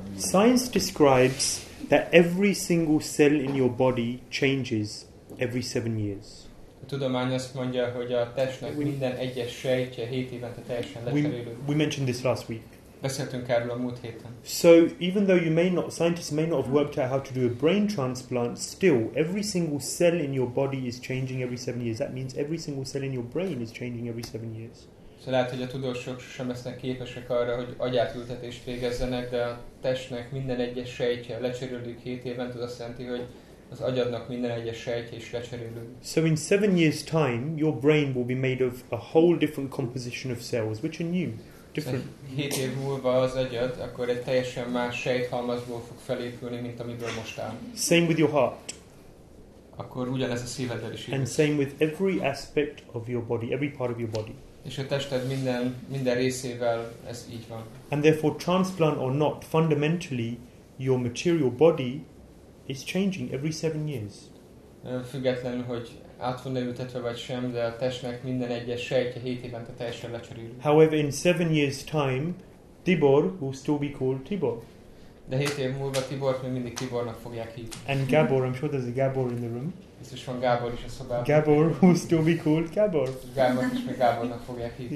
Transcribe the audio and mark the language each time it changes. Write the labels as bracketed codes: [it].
[en] Science describes that every single cell in your body changes every 7 years. [hu] A tudomány azt mondja, hogy a testnek minden egyes sejtje 7 évente teljesen lecserélődik. [en] We mentioned this last week. [hu] Beszéltünk erről a múlt héten. [en] So even though scientists may not have worked out how to do a brain transplant, still every single cell in your body is changing every 7 years. That means every single cell in your brain is changing every 7 years. [hu] Szóval lehet, hogy a tudósok sosem lesznek képesek arra, hogy agyátültetést végezzenek, de a testnek minden egyes sejtje lecserélődik 7 évente, az azt jelenti, hogy az agyadnak minden egyes sejtje is lecserélődik. [en] So in 7 years time, your brain will be made of a whole different composition of cells, which are new, different. [hu] 7 év múlva az agyad, akkor egy teljesen más sejthalmazból fog felépülni, mint amiből most áll. [en] Same with your heart. [hu] Akkor ugyanez a szíveddel is. [en] And same with every aspect of your body, every part of your body. [hu] És a tested minden részével ez így van. [en] And therefore, transplant or not, fundamentally, your material body is changing every 7 years. [hu] Függetlenül, hogy át van ültetve vagy sem, de a testnek minden egyes sejtje 7 évente teljesen lecserül. [en] However, in 7 years' time, Tibor will still be called Tibor. [hu] De 7 év múlva Tibort még mindig Tibornak fogják hívni. [en] And Gabor, I'm sure there's a Gabor in the room. [hu] Biztos van Gábor is a szobában. [en] Gabor, who's still be called Gabor. [hu] Gábor is még Gábornak fogják hívni.